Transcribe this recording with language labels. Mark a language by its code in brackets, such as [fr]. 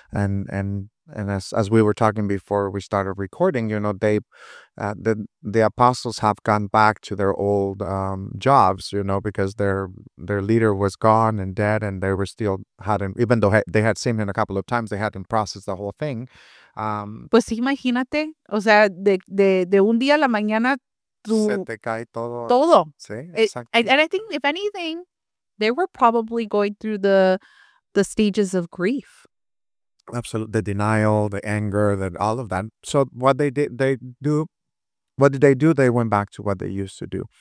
[en] And as we were talking before we started recording, you know, the apostles have gone back to their old jobs, you know, because their leader was gone and dead, and they were still hadn't, even though they had seen him a couple of times, they hadn't processed the whole thing. [es] Pues imagínate, o sea, de un día a la mañana, se te cae todo. Todo. Sí, exacto. [en] And I think, if anything, they were probably going through the stages of grief. Absolutely. The denial, the anger, that all of that. So what they did, they went back to what they used to do.